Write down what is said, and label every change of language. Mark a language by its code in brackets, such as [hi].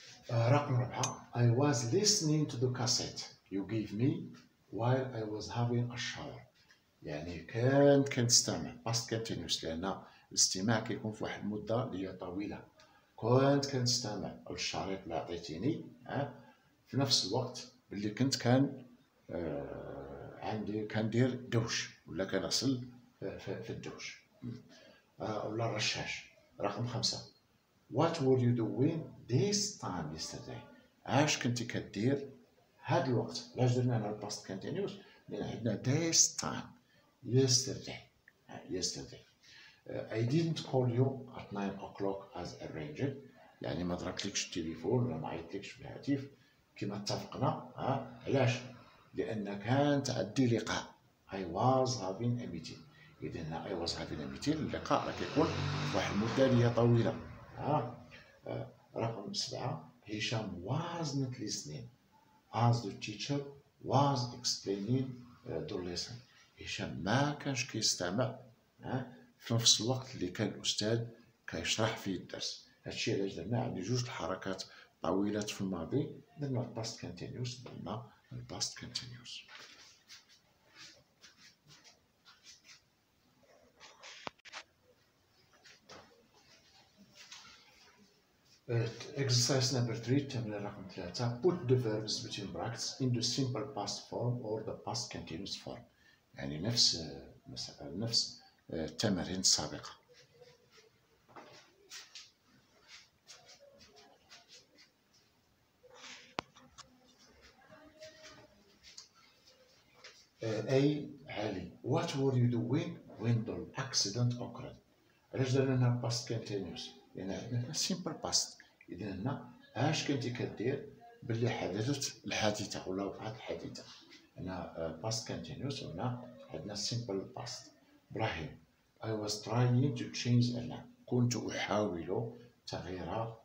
[ar] رقم 4 [en] I was listening to the cassette you gave me while I was having a shower. [ar] يعني كنت استمع باست كونتينوس، لان الاستماع كيكون في واحد المده اللي هي طويله. كنت استمع الشريط اللي عطيتيني في نفس الوقت اللي كندير دوش ولا كنغسل في الدوش ولا الرشاش. رقم 5 [en] What were you doing this time yesterday؟ [ar] اش كنتي كدير هاد الوقت؟ علاش درنا على الباست كونتينيوس؟ لان عندنا [en] this time yesterday. I didn't call you at 9 o'clock as arranged. [ar] يعني ما ضربتلكش التليفون ولا ما عيطتلكش في الهاتف كما اتفقنا. علاش؟ لان كانت عندي لقاء. [en] I was having a meeting. [ar] اذا [en] I was having a meeting، [ar] اللقاء راه كيكون واحد المده اللي هي طويله. رقم 7 [en] هشام was not listening as the teacher was explaining the lesson. [ar] هشام ما كانش كيستمع في نفس الوقت اللي كان الاستاذ كيشرح فيه الدرس. هادشي علاش درنا عندي جوج الحركات طويلات في الماضي، درنا الباست كونتينيوس، درنا الباست كونتينيوس. [en] Exercise number 3 [ar] تمرين رقم 3 [en] put the verbs between brackets in the simple past form or the past continuous form. [ar] يعني نفس مثلا نفس التمارين السابقه. اي علي [en] what were you doing when the accident occurred؟ [ar] علاش درنا [en] past continuous؟ [ar] يعني [en] simple past. [ar] إذا هنا اش كنتي كدير باللي حدثت الحادثة ولا وقعت الحادثة؟ هنا باست كونتينيوس، هنا عندنا سيمبل باست. [en] إبراهيم I was trying to change a lamp. [ar] كنت أحاول تغيير